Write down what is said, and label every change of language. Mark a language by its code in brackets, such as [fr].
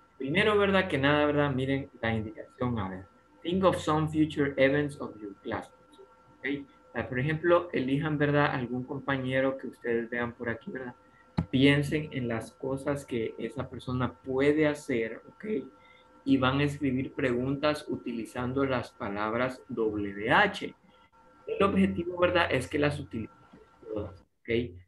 [es] Primero, verdad, que nada, verdad, miren la indicación, a ver. [en] Think of some future events of your classmates, okay? [es] Por ejemplo, elijan, verdad, algún compañero que ustedes vean por aquí, verdad. Piensen en las cosas que esa persona puede hacer, okay? Y van a escribir preguntas utilizando las palabras WH. El objetivo, verdad, es que las utilicen todas, okay?